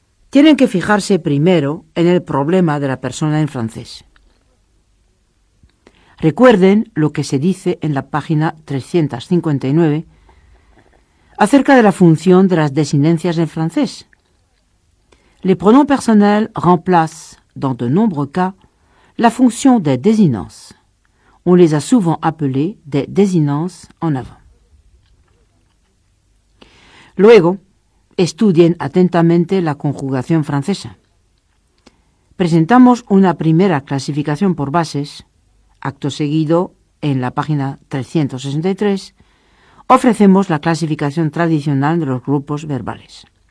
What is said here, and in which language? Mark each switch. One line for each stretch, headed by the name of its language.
Spanish: Tienen que fijarse primero en el problema de la persona en francés. Recuerden lo que se dice en la página 359 acerca de la función de las desinencias en francés.
French: Les pronoms personnels remplacent, dans de nombreux cas, la fonction des désinences. On les a souvent appelés des désinences en avant.
Spanish: Luego, estudien atentamente la conjugación francesa. Presentamos una primera clasificación por bases, acto seguido, en la página 363, ofrecemos la clasificación tradicional de los grupos verbales.